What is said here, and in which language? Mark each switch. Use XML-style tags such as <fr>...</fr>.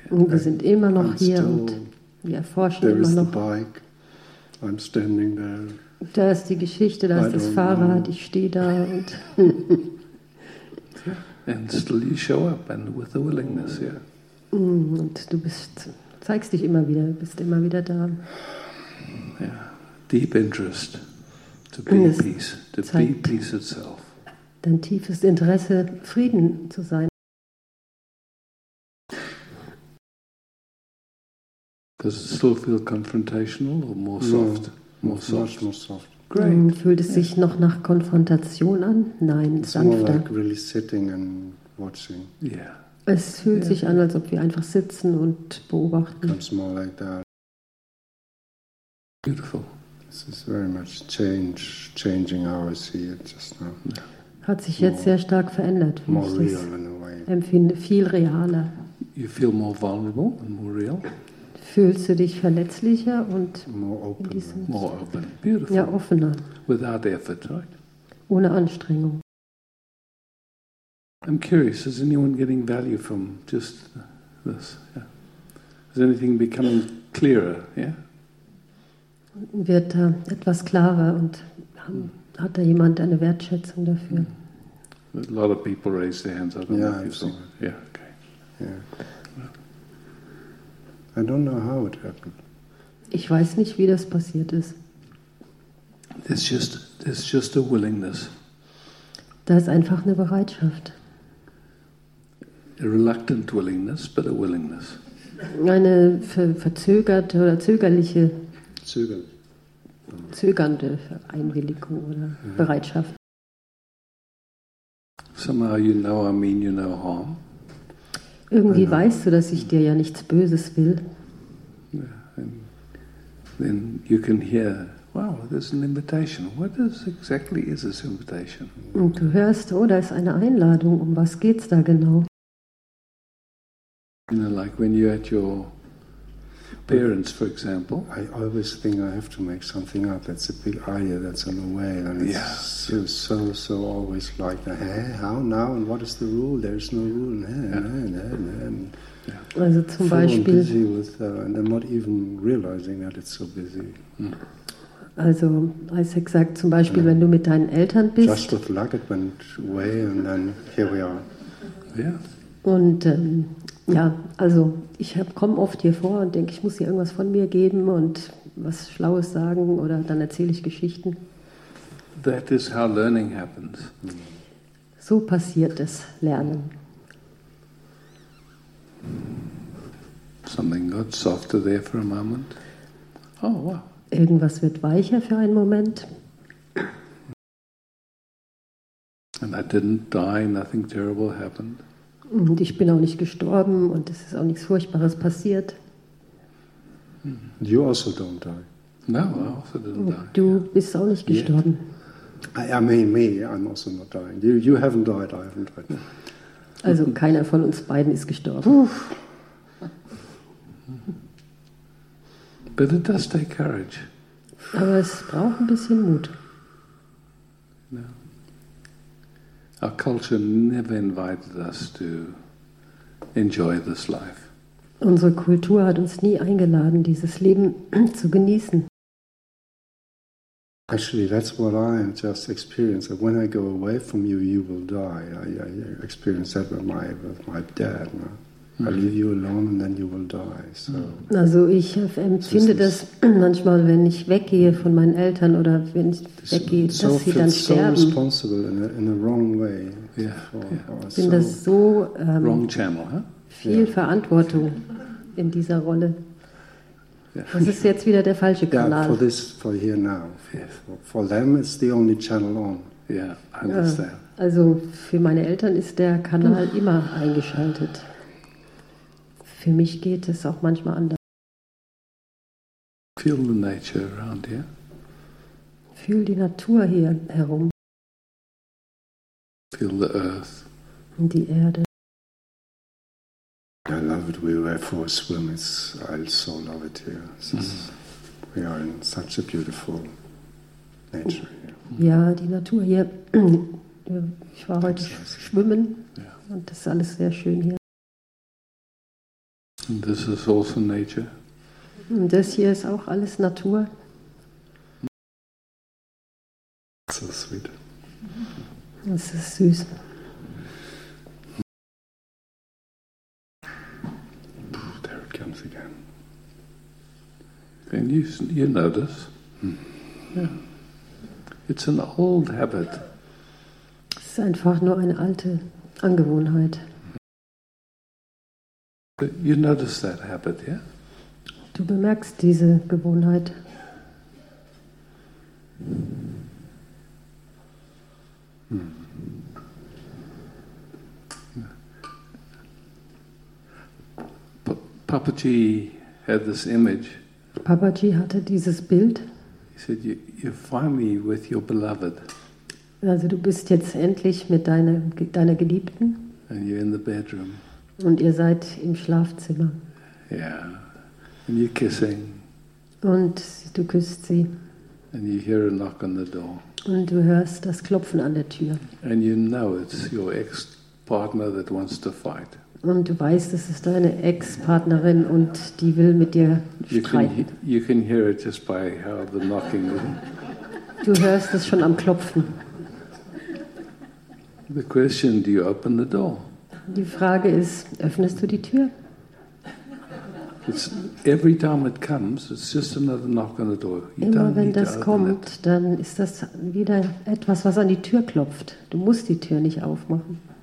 <de>Und wir sind immer noch hier und wir erforschen immer noch.</de> <en>There is the bike. I'm standing there.</en> <de>Da ist die Geschichte, da ist das Fahrrad,</de> <en>know.</en> <de>Ich stehe da und.</de> <en>And still you show up and with the willingness, yeah.</en> <de>Und du zeigst dich immer wieder, bist immer wieder da.</de> <en>Yeah. Deep interest to be at peace, to be peace itself.</en> <de>Dein tiefes Interesse, Frieden zu sein.</de> <en>Does it still feel confrontational or more soft? No. More soft. Much more soft. Great.</en> <de>Fühlt es sich noch nach Konfrontation an? Nein,</de> <en>it's</en> <de>sanfter.</de> <en>More like really sitting and watching. Yeah.</en> <de>Es fühlt sich an, als ob wir einfach sitzen und beobachten.</de> <en>Comes more like that. Beautiful. This is very much changing how I see it just now.</en> <de>Hat sich jetzt sehr stark verändert.</de> <en>More real in a way.</en> <de>Empfinde viel realer.</de> <en>You feel more vulnerable and more real.</en> <de>fühlst du dich verletzlicher und</de> <en>more open. Beautiful.</en> <de>Ja, offener.</de> <en>Without effort, right?</en> <de>Ohne Anstrengung.</de> <en>I'm curious, is anyone getting value from just this? Yeah. Is anything becoming clearer? Yeah?</en> <de>Wird da etwas klarer und hat da jemand eine Wertschätzung dafür?</de> <en>A lot of people raised their hands. I don't know if you saw it. Yeah, okay. Yeah. I don't know how it happened.</en> <de>Ich weiß nicht, wie das passiert ist.</de> <en>There's just a willingness.</en> <de>Da ist einfach eine Bereitschaft.</de> <en>A reluctant willingness, but a willingness.</en> <de>Eine verzögerte oder zögerliche. Zögernde Einwilligung oder Bereitschaft.</de> <en>Somehow you know I mean you no harm.</en> <de>Irgendwie weißt du, dass ich dir ja nichts Böses will.</de> <en>Then you can hear, wow, there's an invitation. What exactly is this invitation?</en> <de>Und du hörst, oh, da ist eine Einladung. Um was geht's da genau?</de> <en>You know, like when you're at your parents, for example. I always think I have to make something up. That's a big idea that's in the way. And it's so always like, hey, how now? And what is the rule? There's no rule.</en> <de>Also zum Beispiel.</de> <en>Busy with, and I'm not even realizing that it's so busy.</en> <de>Also, Isaac sagt zum Beispiel, wenn du mit deinen Eltern bist.</de> <en>Just with luck, it went away, and then here we are. Yeah.</en> <de>Und ja, also ich komme oft hier vor und denke, ich muss hier irgendwas von mir geben und was Schlaues sagen oder dann erzähle ich Geschichten.</de> <en>That is how learning happens.</en> <de>So passiert es, Lernen.</de> <en>Something got softer there for a moment. Oh, wow.</en> <de>Irgendwas wird weicher für einen Moment.</de> <en>And I didn't die, nothing terrible happened.</en> <de>Und ich bin auch nicht gestorben und es ist auch nichts Furchtbares passiert.</de> <en>You also don't die. No, I also didn't die.</en> <de>Du bist auch nicht gestorben.</de> <en>I'm also not dying. You haven't died, I haven't died.</en> <de>Also keiner von uns beiden ist gestorben.</de> <en>But it does take courage.</en> <de>Aber es braucht ein bisschen Mut.</de> <en>Our culture never invited us to enjoy this life.</en> <de>Unsere Kultur hat uns nie eingeladen, dieses Leben zu genießen.</de> <en>Actually, that's what I just experienced. When I go away from you, you will die. I experienced that with my dad. No? I leave you alone and then you will die. So.</en> <de>Also ich empfinde das manchmal, wenn ich weggehe von meinen Eltern oder wenn ich weggehe, dass sie dann sterben.</de> <en>So responsible in a wrong way.</en> <de>Ich bin das so</de> <en>wrong channel, huh?</en> <de>Viel Verantwortung in dieser Rolle. Das ist jetzt wieder der falsche Kanal.</de> <en>Yeah, for here now. Yeah. For them it's the only channel on. Yeah, I understand.</en> <de>Also für meine Eltern ist der Kanal immer eingeschaltet. Für mich geht es auch manchmal anders.</de> <en>Feel the nature around here.</en> <de>Fühl die Natur hier herum.</de> <en>Feel the earth.</en> <de>Und die Erde.</de> <en>I love it. We were for a swim. It's, I also love it here. We are in such a beautiful nature here.</en> <de>Ja, die Natur hier. Ich war heute schwimmen.</de> <en>Yeah.</en> <de>Und das ist alles sehr schön hier.</de> <en>And this is also nature.</en> <de>Und das hier ist auch alles Natur.</de> <en>So sweet.</en> <de>Das ist süß.</de> <en>There it comes again. And you notice. It's an old habit.</en> <de>Es ist einfach nur eine alte Angewohnheit.</de> <en>You notice that habit, yeah?</en> <de>Du bemerkst diese Gewohnheit.</de> <en>Papaji had this image.</en> <de>Papaji hatte dieses Bild.</de> <en>He said, you find me with your beloved.</en> <de>Also du bist jetzt endlich mit deiner Geliebten.</de> <en>And you're in the bedroom.</en> <de>Und ihr seid im Schlafzimmer.</de> <en>Yeah. And you're kissing.</en> <de>Und du küsst sie.</de> <en>And you hear a knock on the door.</en> <de>Und du hörst das Klopfen an der Tür.</de> <en>And you know it's your ex-partner that wants to fight.</en> <de>Und du weißt, es ist deine Ex-Partnerin und die will mit dir streiten.</de> <en>You can hear it just by how the knocking.</en> <de>Du hörst es schon am Klopfen.</de> <en>The question, do you open the door?</en> <de>Die Frage ist, öffnest du die Tür?</de> <en>It's, every time it comes, it's just another knock on the door. You</en> <de>immer wenn das kommt, dann ist das wieder etwas, was an die Tür klopft. Du musst die Tür nicht aufmachen.</de>